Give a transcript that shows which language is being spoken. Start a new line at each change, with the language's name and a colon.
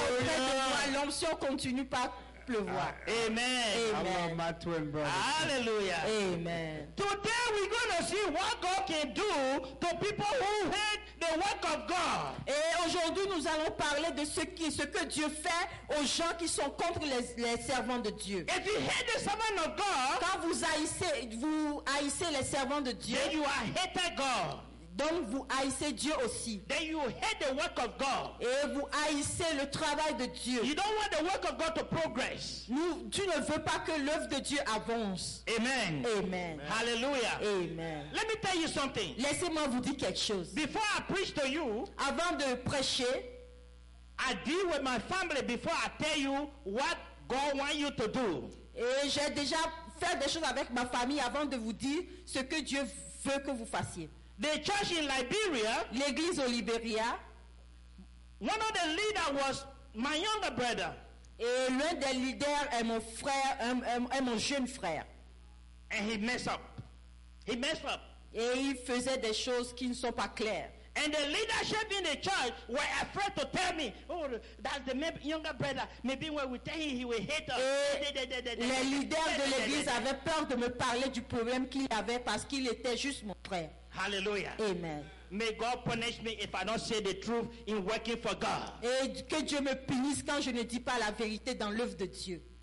French: Quand il est auprès de moi, l'onction continue pas pleuvoir.
English: Amen.
French: Amen.
English: I love my twin brother. Hallelujah. Amen. Today we're gonna see what God can do to people who hate the work of God.
French: Et aujourd'hui nous allons parler de ce que Dieu fait aux gens qui sont contre les servants de Dieu.
English: If you hate the servant of God,
French: quand vous haïssez les servants de Dieu,
English: then you are hating God.
French: Donc vous haïssez Dieu aussi.
English: Then you hate the work of God.
French: Et vous haïssez le travail de Dieu.
English: You don't want the work of God to progress.
French: Tu ne veux pas que l'œuvre de Dieu avance.
English: Amen.
French: Amen.
English: Hallelujah. Amen. Let me tell you something.
French: Laissez-moi vous dire quelque chose.
English: Before I preach to you,
French: avant de prêcher,
English: I deal with my family before I tell you what God wants you to do.
French: Et j'ai déjà fait des choses avec ma famille avant de vous dire ce que Dieu veut que vous fassiez.
English: The church in Liberia,
French: l'église au Liberia,
English: one of the leaders was my younger brother.
French: Et l'un des leaders est mon frère, est mon jeune frère.
English: And he messed up. He messed up.
French: Et il faisait des choses qui ne sont pas claires.
English: And the leadership in the church were afraid to tell me, oh, that's the younger brother. Maybe when we tell him, he will hate us.
French: Les leaders de l'église avaient peur de me parler du problème qu'il avait parce qu'il était juste mon frère.
English: Hallelujah. Amen. May God punish me if I don't say the truth in working for God.
French: Et que Dieu me punisse quand je ne dis pas la vérité dans l'œuvre de Dieu.